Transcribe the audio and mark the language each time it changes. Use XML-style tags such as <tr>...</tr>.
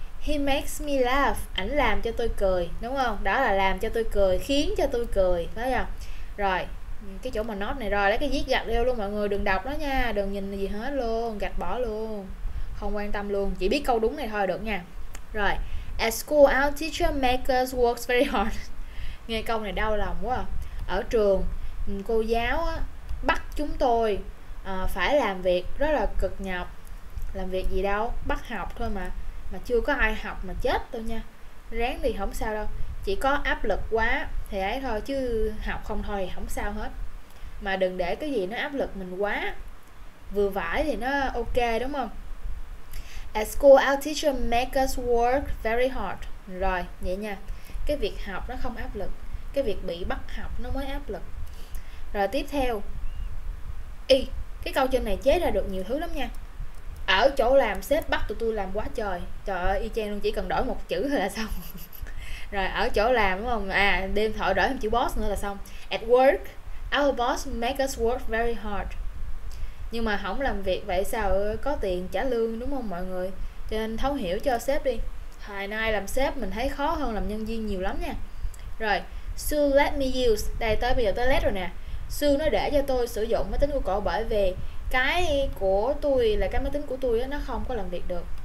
<en>He makes me laugh,</en> <vi>ảnh làm cho tôi cười, đúng không? Đó là làm cho tôi cười, khiến cho tôi cười, thấy không? Rồi, cái chỗ mà note này rồi, lấy cái viết gạch đeo luôn mọi người, đừng đọc nó nha, đừng nhìn gì hết luôn, gạch bỏ luôn, không quan tâm luôn, chỉ biết câu đúng này thôi được nha.</vi> <en>Rồi, at school our teacher makes us work very hard.</en> <vi>Nghe câu này đau lòng quá. Ở trường, cô giáo á, bắt chúng tôi phải làm việc rất là cực nhọc. Làm việc gì đâu, bắt học thôi mà. Mà chưa có ai học mà chết tôi nha. Ráng thì không sao đâu, chỉ có áp lực quá thì ấy thôi, chứ học không thôi thì không sao hết. Mà đừng để cái gì nó áp lực mình quá, vừa phải thì nó ok đúng không?</vi> <en>At school our teacher make us work very hard.</en> <vi>Rồi vậy nha, cái việc học nó không áp lực, cái việc bị bắt học nó mới áp lực. Rồi tiếp theo, y cái câu trên này chế ra được nhiều thứ lắm nha. Ở chỗ làm sếp bắt tụi tôi làm quá trời. Trời ơi, y chang luôn, chỉ cần đổi một chữ thôi là xong. Rồi, ở chỗ làm đúng không? Đêm thoại đổi thêm chữ boss nữa là xong.</vi> <en>At work, our boss makes us work very hard.</en> <vi>Nhưng mà không làm việc vậy sao có tiền trả lương đúng không mọi người? Cho nên thấu hiểu cho sếp đi. Thời nay làm sếp mình thấy khó hơn làm nhân viên nhiều lắm nha. Rồi,</vi> <en>Sue let me use.</en> <vi>Đây, tới bây giờ tới let rồi nè. Sue nó để cho tôi sử dụng máy tính của cậu, bởi vì cái của tôi là cái máy tính của tôi đó, nó không có làm việc được.</vi>